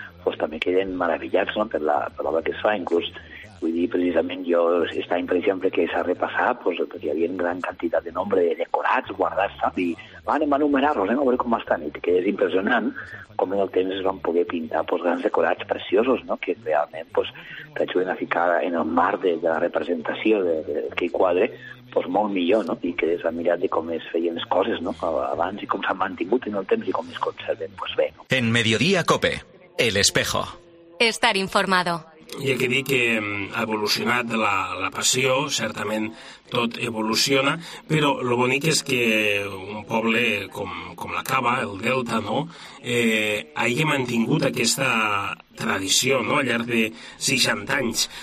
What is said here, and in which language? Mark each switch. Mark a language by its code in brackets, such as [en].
[ca] Pues també queden meravellats, no? Per l'obra que es fa, inclús, vull dir, precisament jo, aquest any, per exemple, que s'ha repassat, pues, perquè hi havia una gran quantitat de nombre de decorats guardats, saps? I anem a enumerar-los, anem a veure com estan, i que és impressionant com en el temps es van poder pintar, pues, grans decorats preciosos, no? Que realment, pues, t'ajuden a ficar en el marc de la representació d'aquell quadre, pues, molt millor, no? I que és a mirar de com es feien les coses, no? Abans, i com s'han mantingut en el temps i com es conserven, pues bé, no? [es] En Mediodía Cope, El Espejo. Estar informado. [ca] I aquí dic que ha evolucionat la passió, certament tot evoluciona, però el bonic és que un poble com la Cava, el Delta, no, hagi mantingut aquesta tradició, no, al llarg de 60 anys.